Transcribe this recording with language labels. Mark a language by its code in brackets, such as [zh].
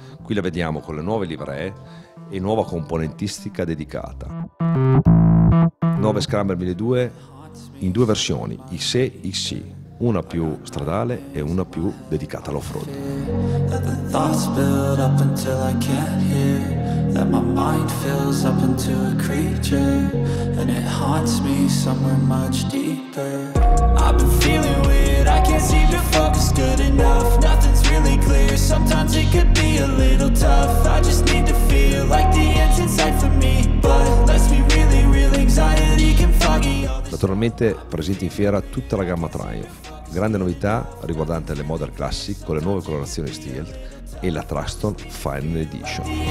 [it] Qui la vediamo con le nuove livree e nuova componentistica dedicata. Nuove Scramble 1200 in due versioni, XE e XC, una più stradale e una più dedicata all'off-road. [en] That my mind fills up into a creature, and it haunts me somewhere much deeper. I've been feeling weird, I can't seem to focus good enough. Nothing's really clear, sometimes it could be a little tough. I just need to feel like the end's in sight for me. But let's be really real, anxiety can foggy all this. [it] Naturalmente presenti in fiera tutta la gamma Triumph. Grande novità riguardante le Modern Classic con le nuove colorazioni Steel e la Truxton Final Edition.